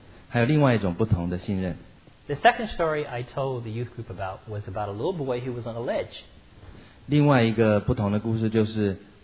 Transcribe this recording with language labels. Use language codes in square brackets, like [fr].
[zh] 还有另外一种不同的信任。 [en] The second story I told the youth group about was about a little boy who was on a ledge. [zh] 另外一个不同的故事就是